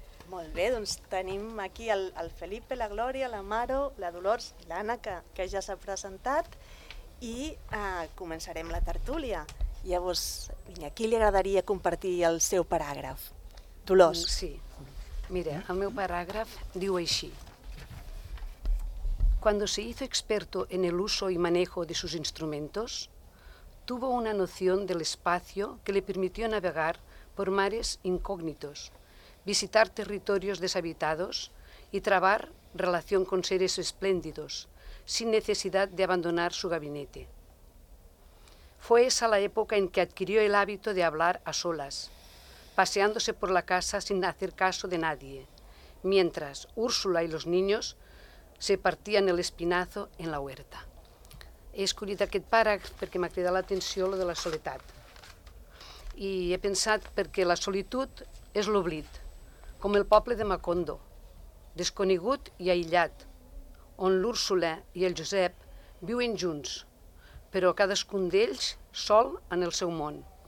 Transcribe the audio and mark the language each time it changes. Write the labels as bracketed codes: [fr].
[ca] Molt bé, doncs tenim aquí el Felipe, la Glòria, la Maro, la Dolors i l'Anna, que ja s'ha presentat, i començarem la tertúlia. Llavors, vinga, qui li agradaria compartir el seu paràgraf? Dolors. Sí. Mira, el meu paràgraf diu així. [es] Cuando se hizo experto en el uso y manejo de sus instrumentos, tuvo una noción del espacio que le permitió navegar por mares incógnitos, visitar territorios deshabitados y trabar relación con seres espléndidos, sin necesidad de abandonar su gabinete. Fue esa la época en que adquirió el hábito de hablar a solas, paseándose por la casa sin hacer caso de nadie, mientras Úrsula y los niños se partían el espinazo en la huerta. [ca] He escollit aquest paràgraf perquè m'ha cridat l'atenció lo de la soledat. I he pensat perquè la solitud és l'oblit, com el poble de Macondo, desconegut i aïllat, on l'Úrsula i el Josep viuen junts, però cadascun d'ells sol en el seu món.